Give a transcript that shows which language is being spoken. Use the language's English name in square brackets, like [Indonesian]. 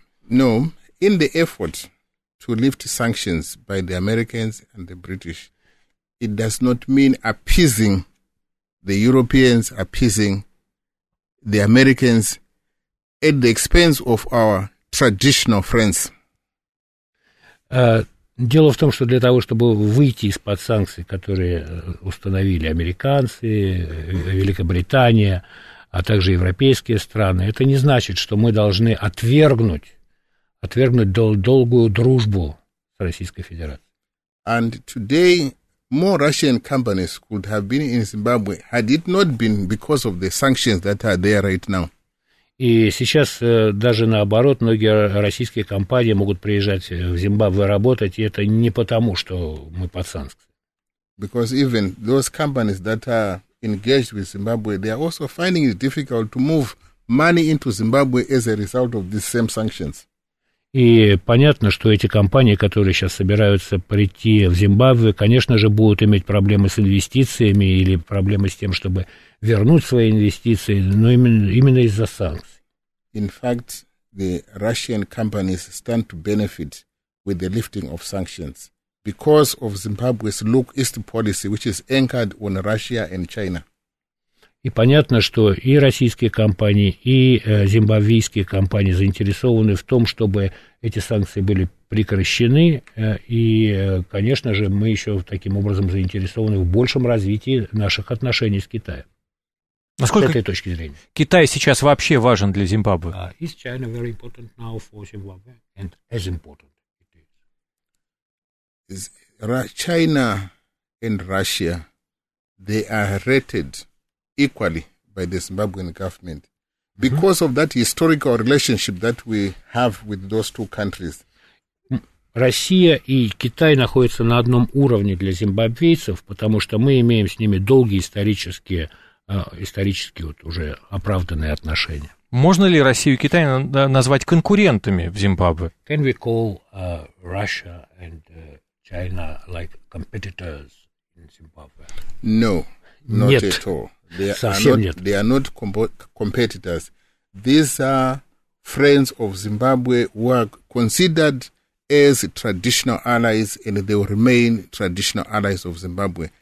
[English] No, in the effort to lift sanctions by the Americans and the British, it does not mean appeasing the Europeans, appeasing the Americans at the expense of our traditional friends. [Russian] Дело в том, что для того, чтобы выйти из-под санкций, которые установили американцы, Великобритания, а также европейские страны, это не значит, что мы должны отвергнуть долгую дружбу с Российской Федерацией. [English] And today more Russian companies could have been in Zimbabwe had it not been because of the sanctions that are there right now. [Russian] И сейчас даже наоборот, многие российские компании могут приезжать в Зимбабве работать, и это не потому, что мы под санкциями. [English] Because even those companies that are engaged with Zimbabwe, they are also finding it difficult to move money into Zimbabwe as a result of these same sanctions. [Russian] И понятно, что эти компании, которые сейчас собираются прийти в Зимбабве, конечно же, будут иметь проблемы с инвестициями или проблемы с тем, чтобы вернуть свои инвестиции, но именно из-за санкций. [English] In fact, the Russian companies stand to benefit with the lifting of sanctions because of Zimbabwe's look east policy, which is anchored on Russia and China. [Russian] И понятно, что и российские компании, и зимбабвийские компании заинтересованы в том, чтобы эти санкции были прекращены, и, конечно же, мы еще таким образом заинтересованы в большем развитии наших отношений с Китаем. Насколько с этой точки зрения. Китай сейчас вообще важен для Зимбабве? [English] Is China very important now for Zimbabwe and as important it is? China and Russia, they are rated equally by the Zimbabwean government. Because of that historical relationship that we have with those two countries. [Russian] Россия и Китай находятся на одном уровне для зимбабвейцев, потому что мы имеем с ними долгие исторические вот уже оправданные отношения. Можно ли Россию и Китай назвать конкурентами в Зимбабве? [English] Can we call Russia and China like competitors in Zimbabwe? No, not at all. They are [Russian] совсем [English] not, they are not competitors. These are friends of Zimbabwe who are considered as traditional allies, and they will remain traditional allies of Zimbabwe.